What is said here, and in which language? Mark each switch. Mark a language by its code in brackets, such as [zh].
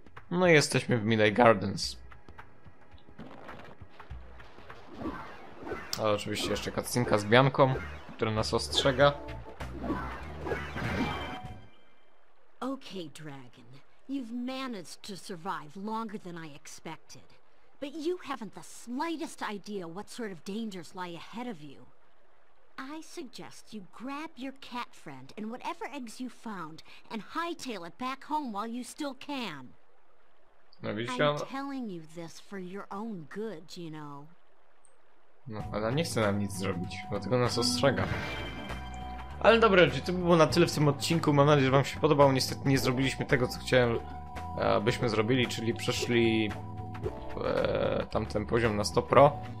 [pl] No i jesteśmy w Midway Gardens. Ale oczywiście jeszcze cutscenka z Bianką, która nas ostrzega. [en] Okay, Dragon. You've managed to survive longer than I expected. But you haven't the slightest idea what sort of dangers lie ahead of you. I suggest you grab your cat friend and whatever eggs you found and hightail it back home while you still can. No, I'm telling you this for your own good, you know. [pl] No, ona nie chce nam nic zrobić, dlatego nas ostrzega. Ale dobra, to było na tyle w tym odcinku. Mam nadzieję, że wam się podobał. Niestety nie zrobiliśmy tego, co chciałem, byśmy zrobili, czyli przeszli tamten poziom na 100%.